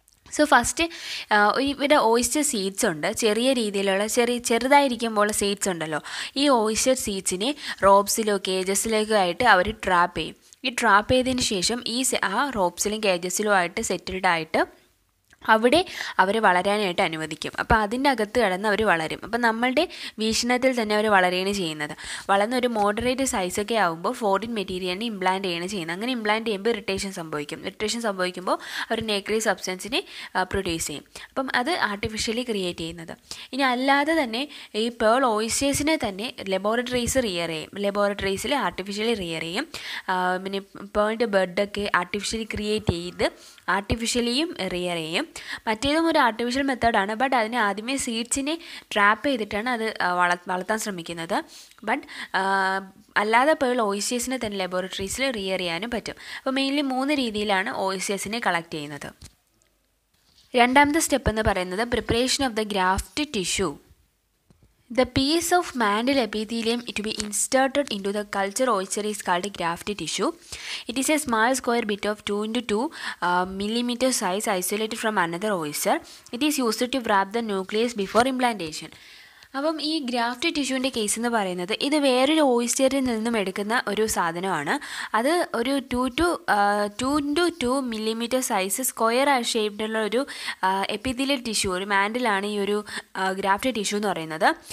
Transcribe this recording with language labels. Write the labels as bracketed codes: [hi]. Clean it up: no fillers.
[ml] So first ivide oyster seeds undu cheriya reethilulla cherudayirikkumbola seeds undallo ee oyster seeds ne ropes ilo cages ilo aayittu avaru trap cheyyum. Ee trap cheyadhin shesham ee aa ropes ilo cages ilo aayittu settled aayittu അവിടെ അവരെ വളരാനായിട്ട് അനുവദിക്കും. അപ്പോൾ അതിൻ്റെ അകത്ത് കടന്ന് അവർ വളരും. അപ്പോൾ നമ്മളുടെ വീക്ഷണത്തിൽ തന്നെ അവർ വളരുകയാണ് ചെയ്യുന്നത്. വളർന്ന് ഒരു മോഡറേറ്റ് സൈസൊക്കെ ആകുമ്പോൾ ഫോറിൻ മെറ്റീരിയലിനെ ഇംപ്ലാന്റ് ചെയ്യാണ് ചെയ്യുന്നത്. അങ്ങനെ ഇംപ്ലാന്റ് ചെയ്യുമ്പോൾ ഇറിറ്റേഷൻ സംഭവിക്കും. ഇറിറ്റേഷൻ സംഭവിക്കുമ്പോൾ അവർ നേക്രീസ് സബ്സ്റ്റൻസിനെ പ്രൊഡ്യൂസ് ചെയ്യും. അപ്പം അത് ആർട്ടിഫിഷ്യലി ക്രിയേറ്റ് ചെയ്യുന്നത്. ഇനി അല്ലാതെ തന്നെ ഈ പേൾ ഓയിസ്റ്റേഴ്സിനെ തന്നെ ലബോറട്ടറീസ് റിയർ ചെയ്യും. ലബോറട്ടറീസിൽ ആർട്ടിഫിഷ്യലി റിയർ ചെയ്യും. പിന്നെ പേളിൻ്റെ ബെഡൊക്കെ ആർട്ടിഫിഷ്യലി ക്രിയേറ്റ് ചെയ്ത് ആർട്ടിഫിഷ്യലിയും റിയർ ചെയ്യും. മറ്റേതും ഒരു ആർട്ടിഫിഷ്യൽ മെത്തേഡാണ്. ബട്ട് അതിന് ആദ്യമേ സീഡ്സിനെ ട്രാപ്പ് ചെയ്തിട്ടാണ് അത് വളർത്താൻ ശ്രമിക്കുന്നത്. ബട്ട് അല്ലാതെ പേൾ ഓയിസ്റ്റേഴ്സിനെ തന്നെ ലബോറട്ടറീസിൽ റിയർ ചെയ്യാനും പറ്റും. അപ്പോൾ മെയിൻലി മൂന്ന് രീതിയിലാണ് ഓയിസ്റ്റേഴ്സിനെ കളക്ട് ചെയ്യുന്നത്. രണ്ടാമത്തെ സ്റ്റെപ്പ് എന്ന് പറയുന്നത് [en] Preparation of the graft tissue. The piece of mantle epithelium to be inserted into the culture oyster is called a graft tissue. It is a small square bit of 2x2 millimeter size isolated from another oyster. It is used to wrap the nucleus before implantation. [ml] അപ്പം ഈ graft ടിഷ്യൂവിൻ്റെ case എന്ന് പറയുന്നത് ഇത് വേറൊരു ഓയിസ്റ്ററിൽ നിന്നും എടുക്കുന്ന ഒരു സാധനമാണ്. അത് ഒരു 2x2 മില്ലിമീറ്റർ സൈസ് സ്ക്വയർ ഷേപ്ഡുള്ള ഒരു എപ്പിത്തീലിയൽ ടിഷ്യൂ, ഒരു മാൻഡിലാണ് ഈ ഒരു ഗ്രാഫ്റ്റ് ടിഷ്യൂ എന്ന് പറയുന്നത്.